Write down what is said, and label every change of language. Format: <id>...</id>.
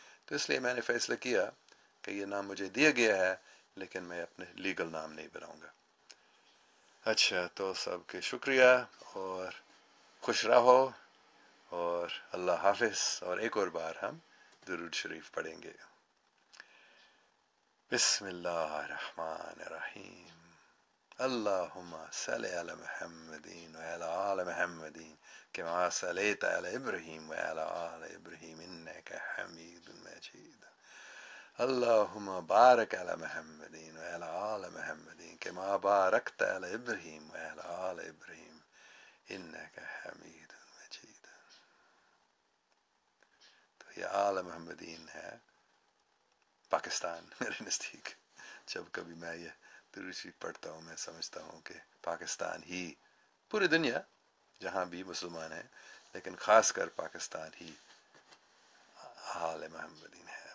<ur>تو اس لیے میں نے فیصلہ کیا کہ یہ نام مجھے دیا گیا ہے لیکن میں اپنے لیگل نام نہیں بناؤں گا. اچھا تو سب کے شکریہ اور خوش رہو اور اللہ حافظ. اور ایک اور بار ہم درود شریف پڑھیں گے.</ur> <ar>بسم اللہ الرحمن الرحیم. اللہم صلی علی محمد و علی آل محمد کما صلیت علی ابراہیم و علی آل ابراہیم انک حمید مجید. اللهم بارك على محمد وعلى آل محمد كما باركت على إبراهيم وعلى آل إبراهيم إنك حميد مجيد.</ar> <ur>تو یہ آل محمدین ہے پاکستان میرے نزدیک. جب کبھی میں یہ درود شریف پڑھتا ہوں میں سمجھتا ہوں کہ پاکستان ہی, پوری دنیا جہاں بھی مسلمان ہیں لیکن خاص کر پاکستان ہی آل محمدین ہے.</ur>